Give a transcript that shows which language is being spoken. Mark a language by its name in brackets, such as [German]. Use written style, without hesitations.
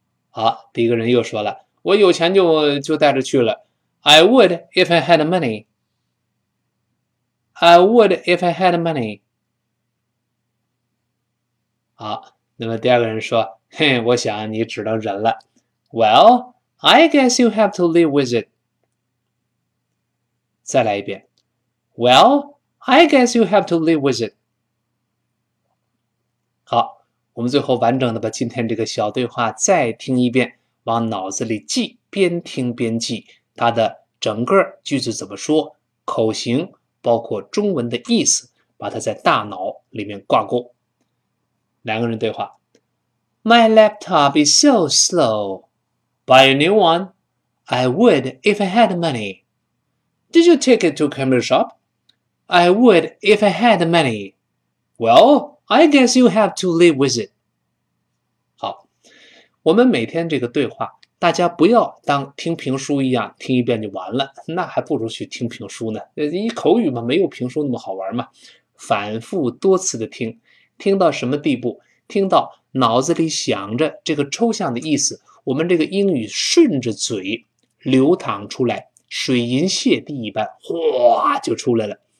[Chinese] 好，第一个人又说了，我有钱就带着去了。 [English] I would if I had money. I would if I had money. [Chinese] 好，那么第二个人说：“嘿，我想你只能忍了。 [English] ”Well, I guess you have to live with it。 [Chinese] 再来一遍：“ [English] Well, I guess you have to live with it。 [Chinese] ”好，我们最后完整的把今天这个小对话再听一遍，往脑子里记，边听边记，它的整个句子怎么说，口型，包括中文的意思，把它在大脑里面挂钩。两个人对话：“ [English] My laptop is so slow. Buy a new one. I would if I had money. Did you take it to camera shop? I would if I had money. Well, I guess you have to live with it.” [Chinese] 我们每天这个对话，大家不要当听评书一样听一遍就完了，那还不如去听评书呢。一口语嘛，没有评书那么好玩嘛。反复多次的听，听到什么地步？听到脑子里想着这个抽象的意思，我们这个英语顺着嘴流淌出来，水银泻地一般，哗就出来了。